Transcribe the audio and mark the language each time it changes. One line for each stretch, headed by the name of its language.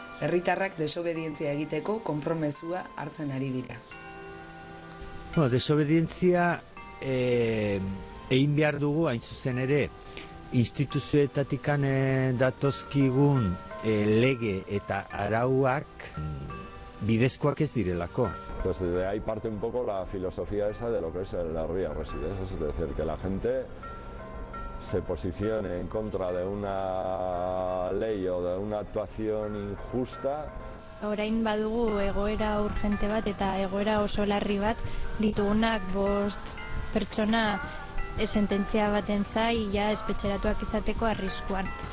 Basque: Herritarrak desobedientzia egiteko konpromezua hartzen ari dira. No, desobedientzia egin behar dugu, hain zuzen ere, instituzioetatikan datozkigun lege eta arauak bidezkoak ez direlako.
Spanish: Pues de ahí parte un poco la filosofía esa de lo que es el Herri Arresidez, es decir, que la gente se posicione en contra de una ley o de una actuación injusta.
Basque: Orain badugu egoera urgente bat eta egoera oso larri bat, ditugunak bost pertsona sententzia baten zai ja espetxeratuak izateko arriskuan.